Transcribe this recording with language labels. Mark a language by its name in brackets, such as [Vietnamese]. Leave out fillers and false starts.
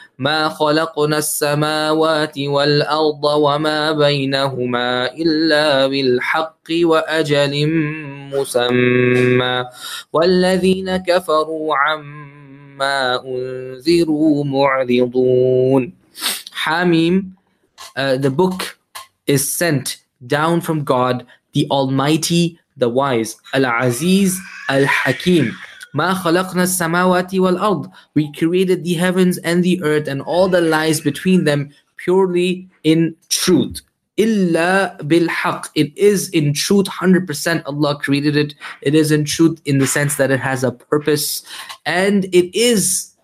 [Arabic] ما خلقنا السماوات والأرض وما بينهما إلا بالحق وأجل مسمى والذين كفروا عما أنذروا معرضون. حميم. [English] The book is sent down from God, the Almighty, the Wise, Al-Aziz, Al-Hakim. [Arabic] ما خلقنا السماوات والأرض. [English] We created the heavens and the earth and all that lies between them purely in truth. [Arabic] إلا بالحق. [English] It is in truth, 100% Allah created it. It is in truth in the sense that it has a purpose, and it is